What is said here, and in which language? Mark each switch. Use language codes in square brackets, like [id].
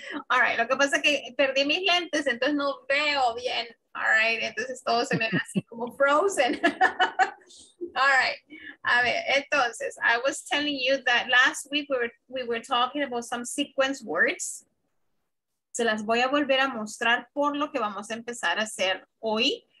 [en] All right, [es] lo que pasa es que perdí mis lentes, entonces no veo bien. [en] All right, [es] entonces todo se me ve así como frozen. [en] All right, [es] a ver, entonces, [en] I was telling you that last week we were talking about some sequence words. [es] Se las voy a volver a mostrar por lo que vamos a empezar a hacer hoy.